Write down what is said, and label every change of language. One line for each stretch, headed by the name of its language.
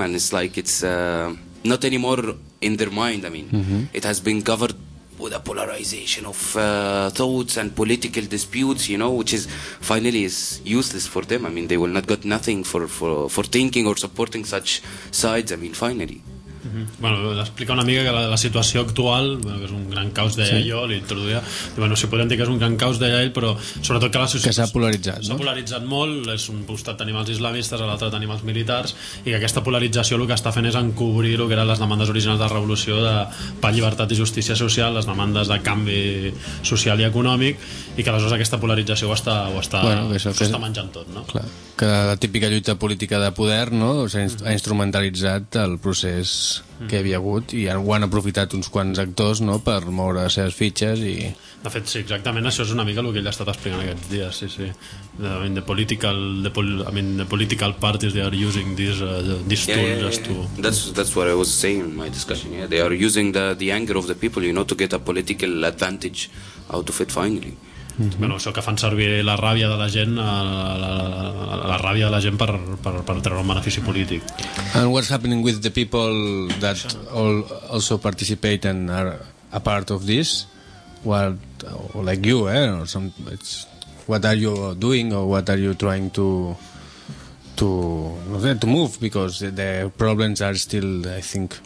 English: And it's like it's not anymore in their mind. I mean, it has been covered with a polarization of thoughts and political disputes, you know, which is finally is useless for them. I mean, they will not get nothing for thinking or supporting such sides. I mean, finally.
Catalan: Bueno, explica una mica que la situació actual, bueno, que és un gran caos, deia sí. Jo, l'introduïa, bueno, si podem dir que és un gran caos, deia ell, però sobretot que la situació... Que s'ha polaritzat, no? S'ha polaritzat molt, és un costat tenim els islamistes, a l'altre tenim els militars, i que aquesta polarització el que està fent és encobrir el que eren les demandes originals de la revolució per llibertat i justícia social, les demandes de canvi social i econòmic, i que aleshores aquesta polarització ho està menjant tot, no? Clar. Que la típica lluita política de poder, no?, ha instrumentalitzat el procés que hi havia hagut i ho han aprofitat uns quants actors, no?, per moure les seves fitxes i... De fet, sí, exactament, això és una mica el que ell ha estat explicant aquests dies, sí.
English: The political parties, they are using these tools to... That's what I was saying in my discussion, yeah. They are using the anger of the people, you know, to get a political advantage out of it, finally.
Catalan: Bueno, això que fan servir la ràbia de la gent la ràbia de la gent per treure un benefici polític.
English: And what's happening with the people that all also participate and are a part of this? What, like you, or some, it's, what are you doing or what are you trying to move, because the problems are still, I think,